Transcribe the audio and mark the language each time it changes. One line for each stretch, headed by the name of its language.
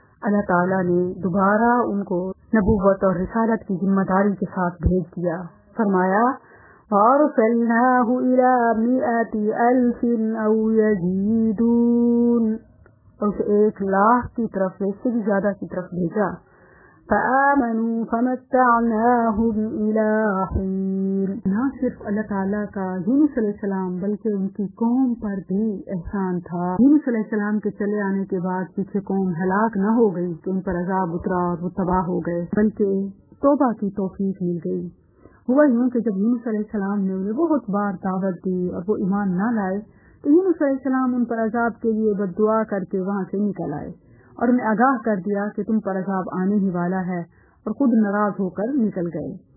Urdu: اللہ تعالیٰ نے دوبارہ ان کو نبوت اور رسالت کی ذمہ داری کے ساتھ بھیج دیا. فرمایا
Arabic: وَأَرْسَلْنَاهُ إِلَى 100,000 أَوْ يَزِيدُونَ,
Urdu: اور اسے 100,000 کی طرف سے بھی زیادہ کی طرف بھیجا.
Arabic: فآمنوا فمتعناهم إلى حين.
Urdu: نہ صرف اللہ تعالیٰ کا یونس علیہ السلام بلکہ ان کی قوم پر بھی احسان تھا. یونس علیہ السلام کے چلے آنے کے بعد پیچھے قوم ہلاک نہ ہو گئی کہ ان پر عذاب اترا اور وہ تباہ ہو گئے، بلکہ توبہ کی توفیق مل گئی. ہوا یوں کہ جب یونس علیہ السلام نے انہیں بہت بار دعوت دی اور وہ ایمان نہ لائے تو یونس علیہ السلام ان پر عذاب کے لیے بد دعا کر کے وہاں سے نکل آئے اور انہیں آگاہ کر دیا کہ تم پر عذاب آنے ہی والا ہے، اور خود ناراض ہو کر نکل گئے.